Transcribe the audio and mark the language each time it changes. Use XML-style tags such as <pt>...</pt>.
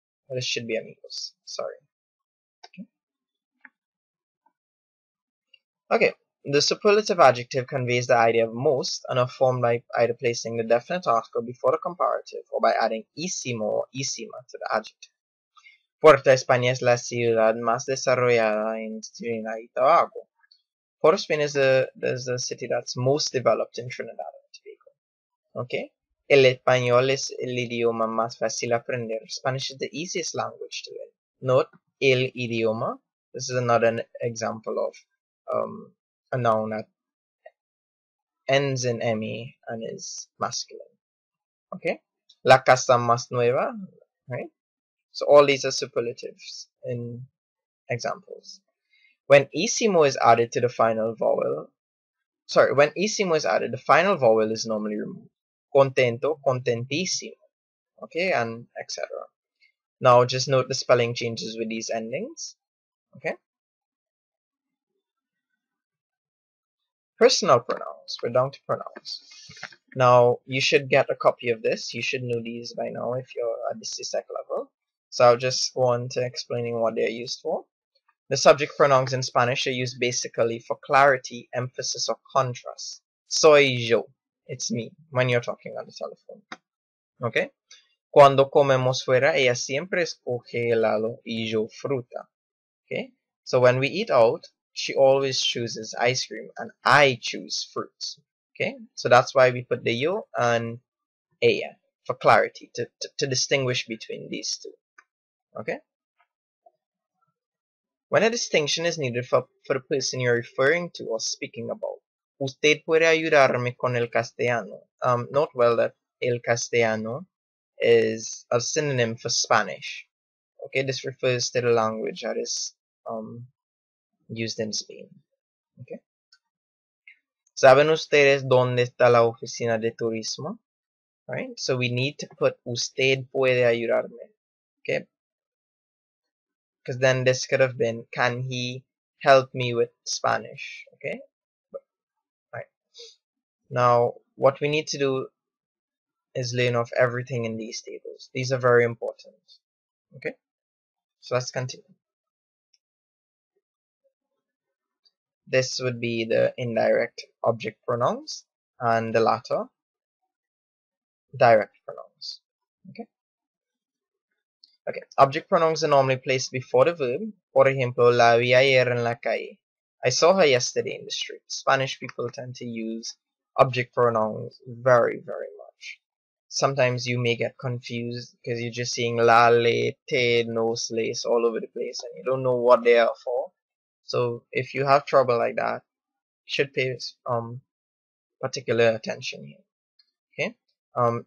<en>This should be amigos. Sorry. Okay. The superlative adjective conveys the idea of most and are formed by either placing the definite article before the comparative or by adding ísimo or ísima to the adjective.</en> <es>Puerto España es la ciudad más desarrollada en Trinidad y Tobago.</es> <en>Puerto España is the city that's most developed in Trinidad and Tobago. Okay.</en> <es>El español es el idioma más fácil aprender.</es> <en>Spanish is the easiest language to learn. Note el idioma. This is another example of a noun that ends in me and is masculine. Okay?</en> <es>La casa más nueva.</es> <en>Right? So all these are superlatives in examples. When ísimo is added to the final vowel, when ísimo is added, the final vowel is normally removed. Contento, contentísimo, okay, and etc. Now, just note the spelling changes with these endings, okay? Personal pronouns, we're down to pronouns. Now, you should get a copy of this. You should know these by now if you're at the CSEC level. So, I'll just go on to explaining what they're used for. The subject pronouns in Spanish are used basically for clarity, emphasis, or contrast.</en> <es>Soy yo.</es> <en>It's me, when you're talking on the telephone. Okay?</en> <es>Cuando comemos fuera, ella siempre escoge helado y yo fruta.</es> <en>Okay? So when we eat out, she always chooses ice cream and I choose fruits. Okay? So that's why we put the yo and ella for clarity, to distinguish between these two. Okay? When a distinction is needed for the person you're referring to or speaking about,</en> <es>usted puede ayudarme con el castellano.</es> <en>Note well that el castellano is a synonym for Spanish. Okay, this refers to the language that is used in Spain. Okay.</en> <es>¿Saben ustedes dónde está la oficina de turismo?</es> <en>Right. So we need to put</en> <es>usted puede ayudarme.</es> <en>Okay. Because then this could have been, can he help me with Spanish? Okay. Now, what we need to do is learn off everything in these tables. These are very important. Okay? So let's continue. This would be the indirect object pronouns and the latter direct pronouns. Okay? Okay. Object pronouns are normally placed before the verb</en> <es>Por ejemplo, la vi ayer en la calle.</es> <en>I saw her yesterday in the street. Spanish people tend to use object pronouns very, very much. Sometimes you may get confused because you're just seeing la, le, te, nos, les all over the place and you don't know what they are for. So if you have trouble like that, you should pay particular attention here. Okay?</en>